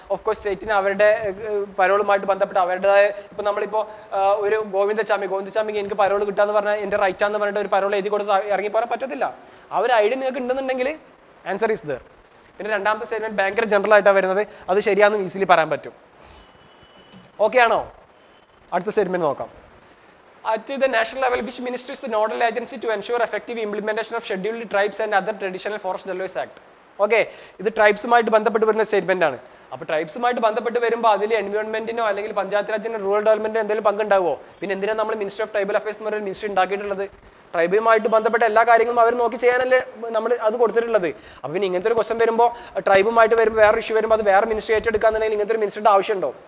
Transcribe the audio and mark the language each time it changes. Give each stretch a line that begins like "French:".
Malayalam: Of course സ്റ്റേറ്റിന് അവരുടെ പരോളുമായിട്ട് ബന്ധപ്പെട്ട് അവരുടെ, ഇപ്പം നമ്മളിപ്പോൾ ഒരു ഗോവിന്ദസ്വാമിക്ക് എനിക്ക് പരോൾ കിട്ടാന്ന് പറഞ്ഞാൽ എൻ്റെ റൈറ്റാന്ന് പറഞ്ഞിട്ട് ഒരു പരോൾ എഴുതി കൊടുത്ത് ഇറങ്ങി പോകാൻ പറ്റത്തില്ല. അവർ ഐ ഡി നിങ്ങൾക്ക് ഉണ്ടെന്നുണ്ടെങ്കിൽ
English: Answer is there.
Malayalam: പിന്നെ രണ്ടാമത്തെ സ്റ്റേറ്റ്മെന്റ് ഭയങ്കര ജനറൽ ആയിട്ടാണ് വരുന്നത്, അത് ശരിയാണെന്ന് ഈസിലി പറയാൻ പറ്റും. ഓക്കെ ആണോ? അടുത്ത സ്റ്റേറ്റ്മെന്റ് നോക്കാം.
English: At the national level, which ministry is the nodal agency to ensure effective implementation of scheduled tribes and other traditional forest reserves act?
Malayalam: Okay, ഇത് ട്രൈബ്സുമായിട്ട് ബന്ധപ്പെട്ട് വരുന്ന സ്റ്റേറ്റ്മെന്റ് ആണ്. അപ്പോൾ ട്രൈബ്സുമായിട്ട് ബന്ധപ്പെട്ട് വരുമ്പോൾ അതിൽ എൻവയോൺമെന്റിനോ അല്ലെങ്കിൽ പഞ്ചായത്തിരാജിനോ റൂറൽ ഡെവലപ്മെന്റ് എന്തെങ്കിലും പങ്കുണ്ടാവുമോ? പിന്നെ എന്തിനാണ് നമ്മൾ മിനിസ്റ്റർ ഓഫ് ട്രൈബൽ അഫയേഴ്സ് എന്ന് പറയുന്ന മിനിസ്റ്ററി ഉണ്ടാക്കിയിട്ടുള്ളത്? ട്രൈബുമായിട്ട് ബന്ധപ്പെട്ട എല്ലാ കാര്യങ്ങളും അവർ നോക്കി ചെയ്യാനല്ലേ നമ്മൾ അത് കൊടുത്തിട്ടുള്ളത്? അപ്പോൾ പിന്നെ ഇങ്ങനത്തെ ഒരു ക്വസ്റ്റൻ വരുമ്പോൾ ട്രൈബുമായിട്ട് വരുമ്പോൾ വേറെ ഇഷ്യൂ വരുമ്പോൾ അത് വേറെ മിനിസ്റ്ററി ഏറ്റെടുക്കാന്നുണ്ടെങ്കിൽ ഇങ്ങനത്തെ ഒരു മിനിസ്റ്ററിൻ്റെ ആവശ്യമുണ്ടോ?